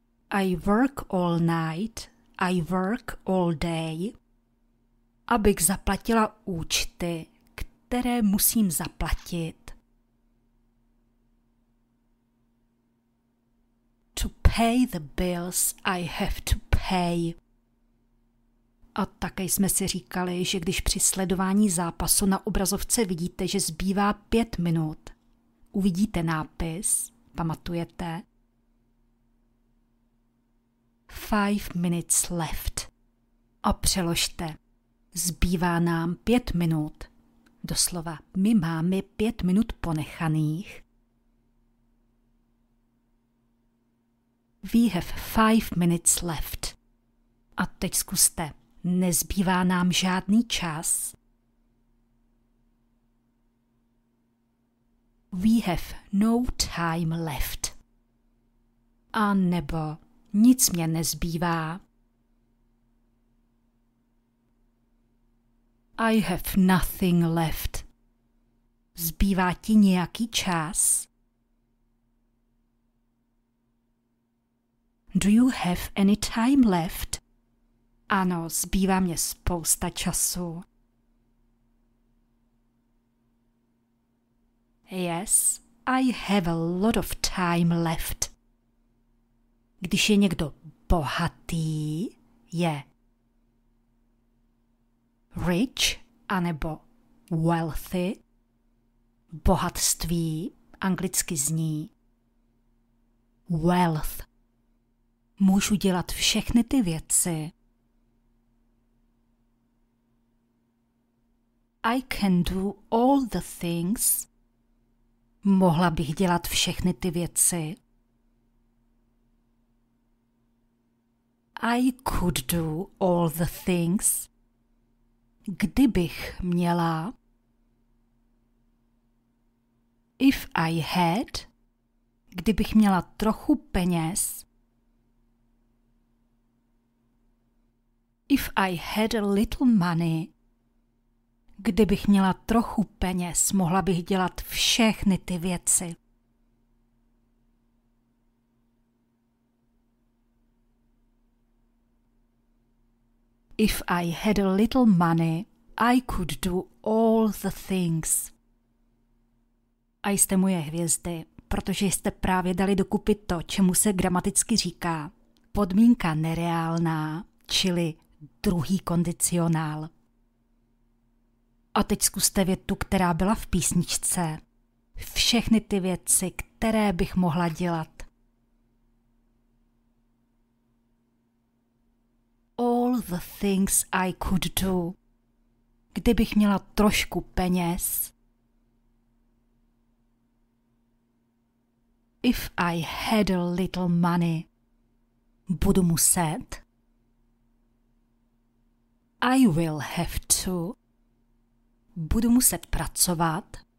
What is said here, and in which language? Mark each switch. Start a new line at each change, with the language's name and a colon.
English: I work all night, I work all day.
Czech: Abych zaplatila účty, které musím zaplatit.
English: To pay the bills I have to pay.
Czech: A také jsme si říkali, že když při sledování zápasu na obrazovce vidíte, že zbývá 5 minut, uvidíte nápis, pamatujete?
English: 5 minutes left.
Czech: A přeložte. Zbývá nám 5 minut. Doslova, my máme 5 minut ponechaných.
English: We have 5 minutes left.
Czech: A teď zkuste. Nezbývá nám žádný čas.
English: We have no time left.
Czech: A nebo nic mě nezbývá.
English: I have nothing left.
Czech: Zbývá ti nějaký čas?
English: Do you have any time left?
Czech: Ano, zbývá mě spousta času.
English: Yes, I have a lot of time left.
Czech: Když je někdo bohatý, je rich anebo wealthy. Bohatství anglicky zní wealth. Můžu dělat všechny ty věci.
English: I can do all the things.
Czech: Mohla bych dělat všechny ty věci.
English: I could do all the things.
Czech: Kdybych měla.
English: If I had.
Czech: Kdybych měla trochu peněz.
English: If I had a little money.
Czech: Kdybych měla trochu peněz, mohla bych dělat všechny ty věci.
English: If I had a little money, I could do all the things.
Czech: A jste moje hvězdy, protože jste právě dali dokupy to, čemu se gramaticky říká podmínka nereálná, čili druhý kondicionál. A teď zkuste větu, která byla v písničce. Všechny ty věci, které bych mohla dělat.
English: All the things I could do.
Czech: Kdybych měla trošku peněz.
English: If I had a little money.
Czech: Budu muset.
English: I will have to.
Czech: Budu muset pracovat.